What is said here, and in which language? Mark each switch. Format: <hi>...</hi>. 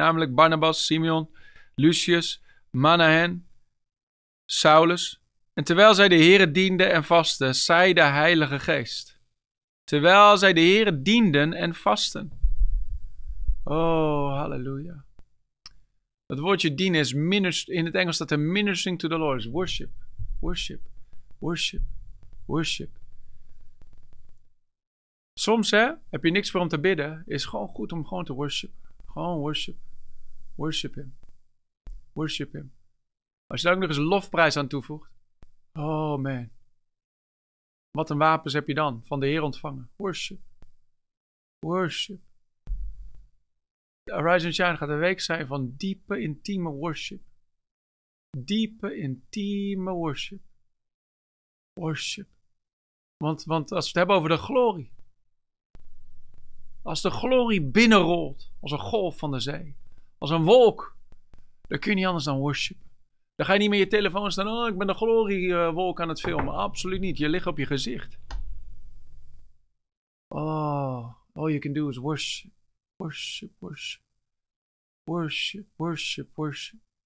<nl>Namelijk Barnabas, Simeon, Lucius, Manahen, Saulus. En terwijl zij de Heere dienden en vasten, zei de Heilige Geest. Terwijl zij de Heere dienden en vasten. Oh, halleluja. Het woordje dienen is in het Engels staat er</nl> <en>ministering to the Lord.</en> <nl>Is</nl> <en>worship, worship, worship, worship.</en> <nl>Soms hè, heb je niks voor om te bidden. Is gewoon goed om gewoon te worship. Gewoon worship.</nl> <en>Worship him. Worship him.</en> <nl>Als je daar ook nog eens een lofprijs aan toevoegt. Oh man. Wat een wapens heb je dan van de Heer ontvangen?</nl> <en>Worship. Worship.</en> <nl>Arise and Shine gaat een week zijn van diepe, intieme worship. Diepe, intieme worship. Worship. Want als we het hebben over de glorie. Als de glorie binnenrolt als een golf van de zee. Als een wolk. Dan kun je niet anders dan worship. Dan ga je niet met je telefoon staan. Oh, ik ben de gloriewolk aan het filmen. Absoluut niet. Je ligt op je gezicht.</nl> <en>Oh, all you can do is worship. Worship, worship. Worship, worship, worship.</en>